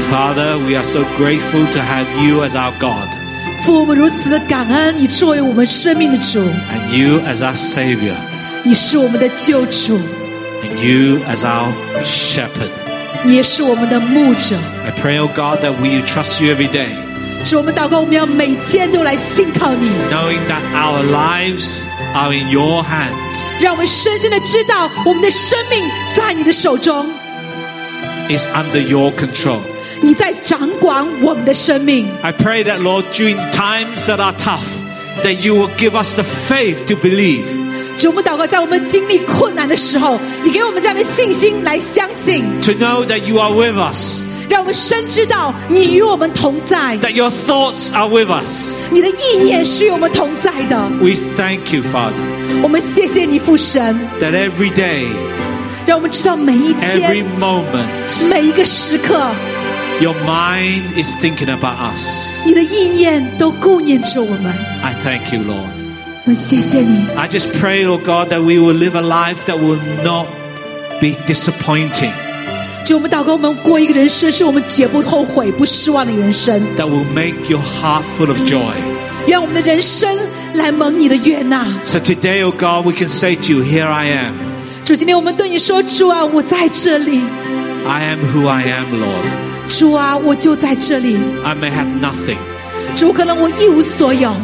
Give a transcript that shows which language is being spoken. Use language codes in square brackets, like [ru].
[en] Father, we are so grateful to have you as our God. [zh] 父，我们如此的感恩，你作为我们生命的主。 [en] And you as our Savior. [zh] 你是我们的救主。 [en] And you as our Shepherd. [zh] 你也是我们的牧者。 [en] I pray, O God, that we trust you every day. [zh] 主，我们祷告，我们要每天都来信靠你。 [en] Knowing that our lives are in your hands. [zh] 让我们深深的知道，我们的生命在你的手中。 [en] Is under your control. [zh] 你在掌管我们的生命。 [en] I pray that, Lord, during times that are tough, that you will give us the faith to believe. [zh] 主，我们祷告，在我们经历困难的时候，你给我们这样的信心来相信。 [en] To know that you are with us. [zh] 让我们深知道你与我们同在。 [en] That your thoughts are with us. [zh] 你的意念是与我们同在的。 [en] We thank you, Father. [zh] 我们谢谢你，父神。 [en] That every day. [zh] 让我们知道每一天。 [en] Every moment. [zh] 每一个时刻。 [en] Your mind is thinking about us. [zh] 你的意念都顾念着我们。 [en] I thank you, Lord. [zh] 我谢谢你。 [en] I just pray, oh God, that we will live a life that will not be disappointing. [zh] 主，我们祷告，我们过一个人生，是我们绝不后悔、不失望的人生。 [en] That will make your heart full of joy. [zh] 让我们的人生来蒙你的悦纳。 [en] So today, oh God, we can say to you, "Here I am." [zh] 主，今天我们对你说，主啊，我在这里。 [en] I am who I am, Lord. [zh] 主啊，我就在这里。 [en] I may have nothing. [zh] 主，可能我一无所有。